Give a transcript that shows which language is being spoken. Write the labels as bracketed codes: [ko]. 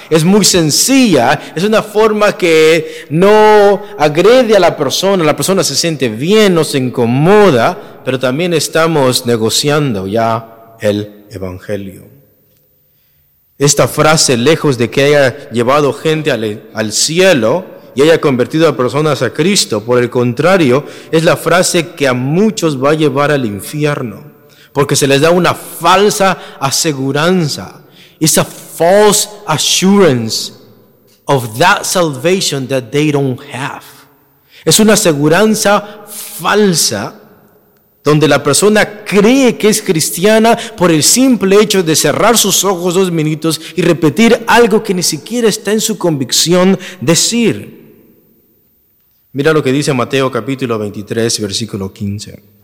[es] Es muy sencilla, es una forma que no agrede a la persona se siente bien, no se incomoda, pero también estamos negociando ya el evangelio. Esta frase, lejos de que haya llevado gente al cielo y haya convertido a personas a Cristo, por el contrario, es la frase que a muchos va a llevar al infierno. porque se les da una falsa aseguranza. [en] It's a false assurance of that salvation that they don't have. [es] Es una aseguranza falsa donde la persona cree que es cristiana por el simple hecho de cerrar sus ojos 2 minutos y repetir algo que ni siquiera está en su convicción decir. Mira lo que dice Mateo capítulo 23, versículo 15.